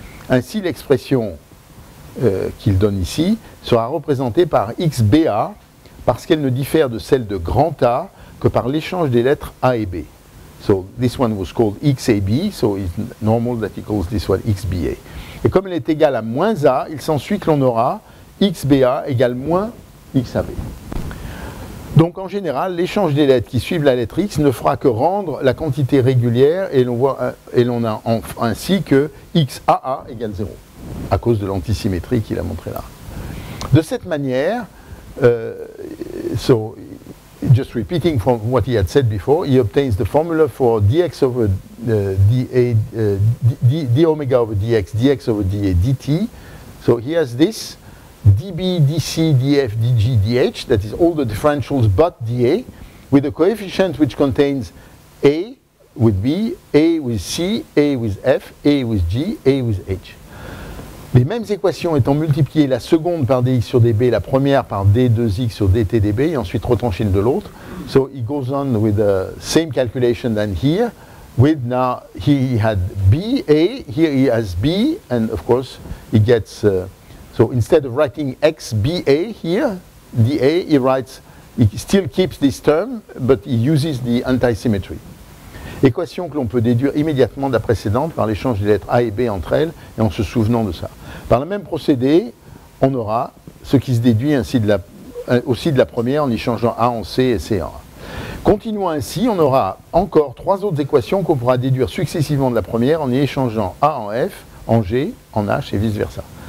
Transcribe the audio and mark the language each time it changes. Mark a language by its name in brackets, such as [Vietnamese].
[French] Ainsi, l'expression qu'il donne ici sera représentée par XBA, parce qu'elle ne diffère de celle de grand A que par l'échange des lettres A et B. [English] So this one was called XAB, so it's normal that he calls this one XBA. [French] Et comme elle est égale à moins A, il s'ensuit que l'on aura XBA égale moins XAB. Donc en général, l'échange des lettres qui suivent la lettre X ne fera que rendre la quantité régulière et l'on a ainsi que XAA égale 0, à cause de l'antisymétrie qu'il a montré là. De cette manière, [English] so just repeating from what he had said before, he obtains the formula for dx over dA, d omega over dx, dx over dA, dt. So he has this, dB, dc, df, dg, dh, that is all the differentials but dA, with a coefficient which contains A with B, A with C, A with F, A with G, A with H. [French] Les mêmes équations étant multipliées la seconde par dx sur dB, la première par d2x sur dt dB, et ensuite retranchées de l'autre. [English] So he goes on with the same calculation than here, with now he had B, A, here he has B, and of course he gets, so instead of writing x, B, A here, dA, he writes, he still keeps this term, but he uses the anti-symmetry. [French] Équation que l'on peut déduire immédiatement de la précédente par l'échange des lettres A et B entre elles et en se souvenant de ça. Par le même procédé, on aura ce qui se déduit ainsi de la, aussi de la première en échangeant A en C et C en A. Continuant ainsi, on aura encore trois autres équations qu'on pourra déduire successivement de la première en y échangeant A en F, en G, en H et vice-versa.